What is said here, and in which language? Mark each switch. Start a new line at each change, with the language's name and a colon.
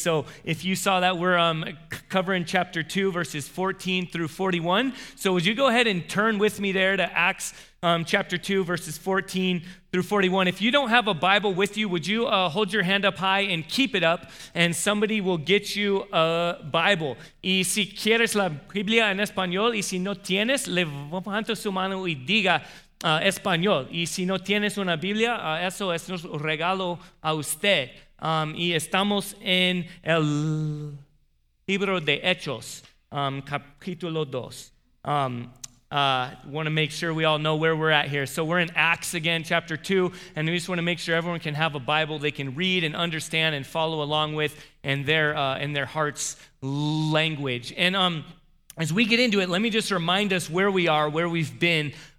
English: So if you saw that, we're covering chapter 2, verses 14 through 41. So would you go ahead and turn with me there to Acts chapter 2, verses 14 through 41. If you don't have a Bible with you, would you hold your hand up high and keep it up, and somebody will get you a Bible.
Spanish: Y si quieres la Biblia en español, y si no tienes, levanta su mano y diga español. Y si no tienes una Biblia, eso es un regalo a usted. Y estamos en el libro de Hechos, capítulo 2.
English: Want to make sure we all know where we're at here. So we're in Acts again, chapter 2, and we just want to make sure everyone can have a Bible they can read and understand and follow along with in their heart's language. And as we get into it, let me just remind us where we are, where we've been.